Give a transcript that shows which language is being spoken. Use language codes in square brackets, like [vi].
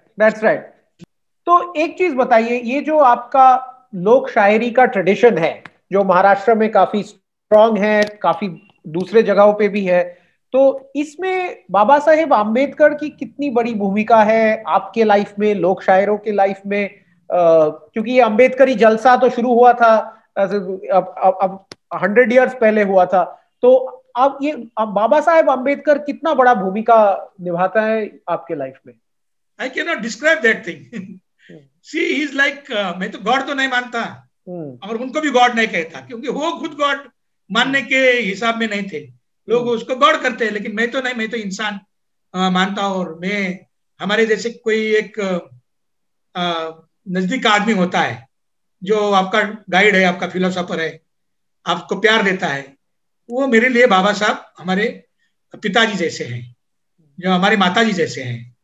[hi] तो एक चीज बताइए, ये जो आपका लोक शायरी का ट्रेडिशन है जो महाराष्ट्र में काफी स्ट्रॉन्ग है, काफी दूसरे जगहों पे भी है, तो इसमें बाबा साहेब आम्बेडकर की कितनी बड़ी भूमिका है आपके लाइफ में, लोक शायरों के लाइफ में? क्योंकि ये अम्बेडकरी जलसा तो शुरू हुआ था 100 years पहले हुआ था, तो अब ये बाबा साहेब अंबेडकर कितना बड़ा भूमिका निभाता है आपके लाइफ में? [en] I cannot describe that thing. See, he is like, [hi] मैं तो गॉड तो नहीं मानता और उनको भी गॉड नहीं कहता, क्योंकि वो खुद गॉड मानने के हिसाब में नहीं थे, लोग उसको गॉड करते हैं, लेकिन मैं तो नहीं, मैं तो इंसान मानता हूं, और मैं हमारे जैसे कोई एक नजदीक आदमी होता है जो आपका गाइड है, आपका फिलोसोफर है, आपको प्यार देता है, वो मेरे लिए बाबा साहब हमारे पिताजी जैसे हैं, जो हमारे माताजी जैसे हैं।